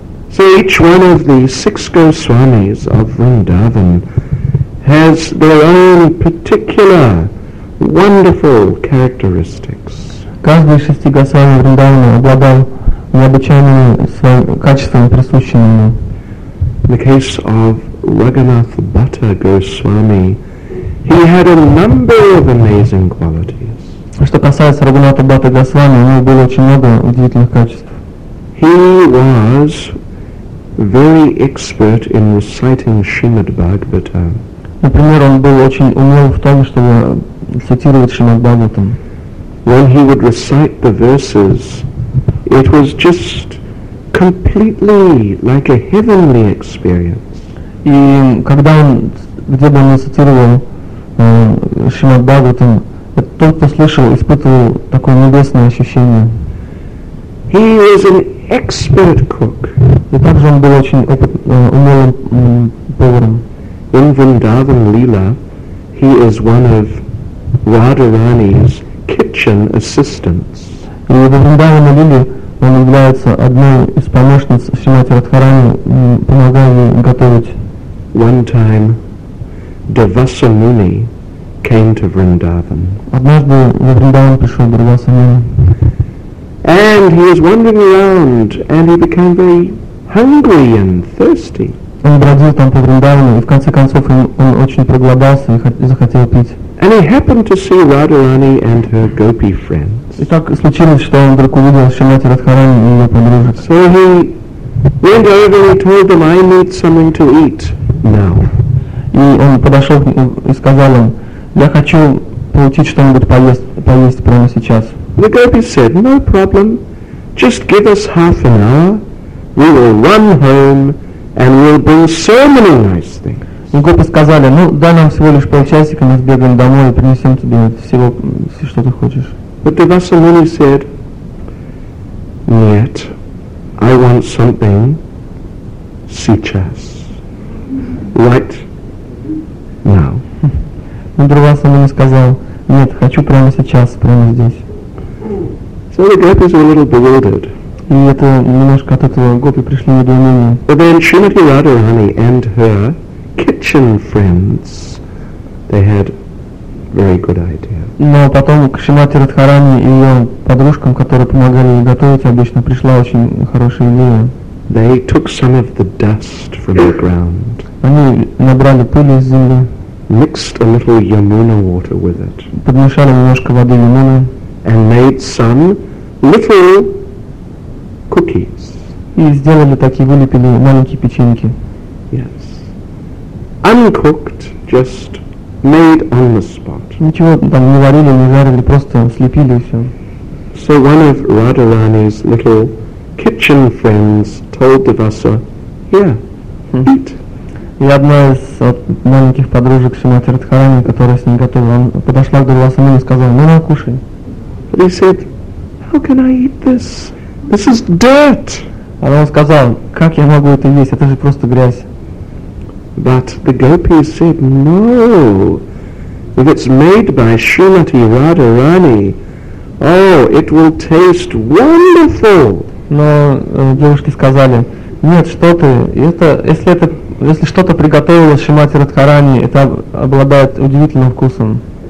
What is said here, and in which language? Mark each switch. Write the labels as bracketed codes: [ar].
[en] So each one of the six Goswamis of Vrindavan has their own particular wonderful characteristics. [ru] Каждый из шести Госвами Вриндавана обладал необычайными качествами, присущими ему. [en] In the case of Raghunath Bhatta Goswami, he had a number of amazing qualities. [ru] Что касается Рагхунатха Бхатты Госвами, у него было очень много удивительных качеств. [en] He was very expert in reciting Srimad Bhagavatam. [ru] Например, он был очень умел в том, чтобы цитировать Шримад Бхагаватам. [en] When he would recite the verses, it was just completely like a heavenly experience. [ru] И когда он где бы он цитировал Шримад Бхагаватам, тот, кто слышал, испытывал такое небесное ощущение. [en] He was an expert cook. [ru] И также он был очень умелым поваром. [en] In Vrindavan Leela, he is one of Radharani's kitchen assistants. [ru] И в Вриндаване Лиле он является одной из помощниц Шримати Радхарани, помогая ей готовить. [en] One time, Devasa Muni came to Vrindavan. [ru] Однажды в Вриндаван пришел Девасу Муни. [en] And he was wandering around, and he became very hungry and thirsty. [ru] Он бродил там по Вриндавану, и в конце концов он очень проголодался и захотел пить. [en] And he happened to see Radharani and her gopi friends. [ru] И так случилось, что он вдруг увидел Шримати Радхарани и ее подружек. [en] So he went over and told them, I need something to eat now. [ru] И он подошел и сказал им, я хочу получить что-нибудь поесть прямо сейчас. [en] The gopi said, no problem, just give us half an hour, we will run home and we'll bring so many nice things. [ru] И гопи сказали, ну дай нам всего лишь полчасика, мы сбегаем домой и принесем тебе всего, все, что ты хочешь. [en] But Devasa Muni said, [ru] нет, [en] I want something [ru] сейчас, [en] right now. [ru] Но Девасса Муни сказал, нет, хочу прямо сейчас, прямо здесь. [en] So the gopis were a little bewildered. [ru] И это немножко от этого гопи пришли недоумение. [en] But then Srimati Radharani and her kitchen friends, they had very good idea. [ru] Но потом к Шримати Радхарани и ее подружкам, которые помогали ей готовить, обычно пришла очень хорошая идея. [en] They took some of the dust from the ground. [ru] Они набрали пыли из земли. [en] Mixed a little Yamuna water with it. [ru] Подмешали немножко воды Yamuna. [en] And made some little cookies. [ru] И сделали такие, вылепили маленькие печеньки. [en] Yes. Uncooked, just made on the spot. [ru] Ничего там не варили, не жарили, просто слепили все. [en] So one of Radharani's little kitchen friends told Devasa, yeah, eat. [ru] И одна из маленьких подружек Шримати Радхарани, которая с ним готовила, она подошла к Девасе и сказала, ну, кушай. [en] But he said, how can I eat this? This is dirt. [ru] Она сказала, как я могу это есть? Это же просто грязь. [en] But the gopis said, no. If it's made by Srimati Radharani, oh, it will taste wonderful. [ru] Но девушки сказали, нет, что ты, это, если это, если что-то приготовило Шримати Радхарани, это обладает удивительным вкусом.